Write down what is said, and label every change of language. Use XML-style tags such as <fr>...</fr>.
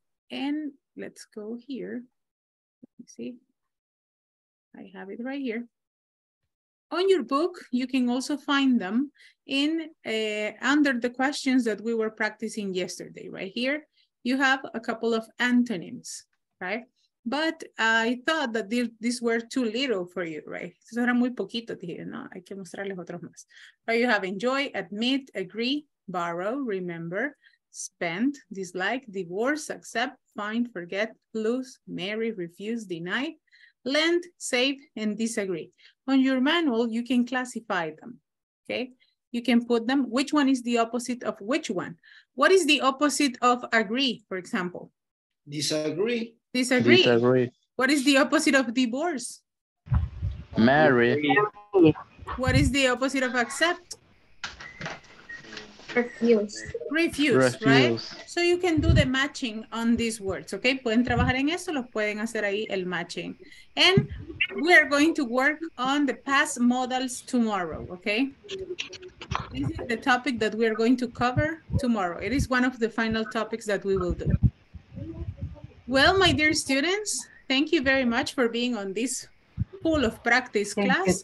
<en>And let's go here, let me see. I have it right here. On your book, you can also find them in under the questions that we were practicing yesterday, right here. You have a couple of antonyms, right? But I thought that these were too little for you, right?</en> <es>Estos eran muy poquitos, dije, no, hay que mostrarles otros más.</es> <en>But you have enjoy, admit, agree, borrow, remember, spend, dislike, divorce, accept, find, forget, lose, marry, refuse, deny, lend, save, and disagree. On your manual, you can classify them, okay? You can put them, which one is the opposite of which one? What is the opposite of agree, for example? Disagree. What is the opposite of divorce? Marry. What is the opposite of accept? Refuse, right? So you can do the matching on these words, okay?</en> <es>Pueden trabajar en eso, los pueden hacer ahí el matching.</es> <en>And we are going to work on the past modals tomorrow, okay? This is the topic that we are going to cover tomorrow. It is one of the final topics that we will do. Well, my dear students, thank you very much for being on this pool of practice class.</en>